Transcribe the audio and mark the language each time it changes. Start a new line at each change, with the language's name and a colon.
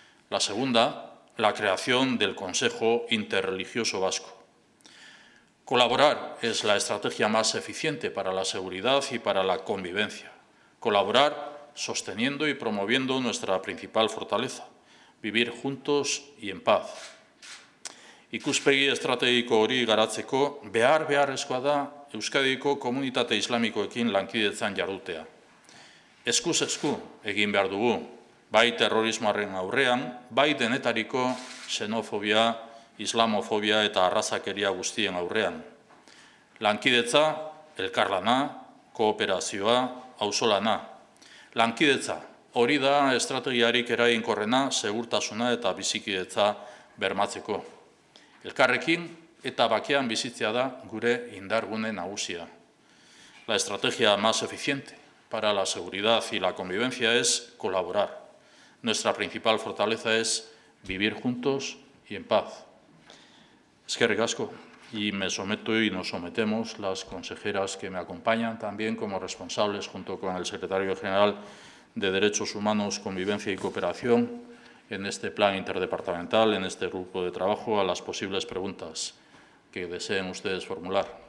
Spanish: La segunda, la creación del Consejo Interreligioso Vasco. Colaborar es la estrategia más eficiente para la seguridad y para la convivencia. Colaborar sosteniendo y promoviendo nuestra principal fortaleza, vivir juntos y en paz.
Basque: Ikuspegi estrategiko hori garatzeko behar beharrezkoa da Euskadiko komunitate islamikoekin lankidetzan jardutea. Eskuz esku egin behar dugu, bai terrorismoaren aurrean, bai denetariko xenofobia, islamofobia eta arrazakeria guztien aurrean. Lankidetza, elkarlana, kooperazioa, auzolana. Lankidetza, hori da estrategiarik eraginkorrena segurtasuna eta bizikidetza bermatzeko. Elkarrekin eta bakean bizitzea da gure indargune nagusia.
Spanish: La estrategia más eficiente para la seguridad y la convivencia es colaborar. Nuestra principal fortaleza es vivir juntos y en paz.
Basque: Eskerrik asko,
Spanish: y me someto y nos sometemos las consejeras que me acompañan también como responsables junto con el secretario general de Derechos Humanos, Convivencia y Cooperación, en este plan interdepartamental, en este grupo de trabajo, a las posibles preguntas que deseen ustedes formular.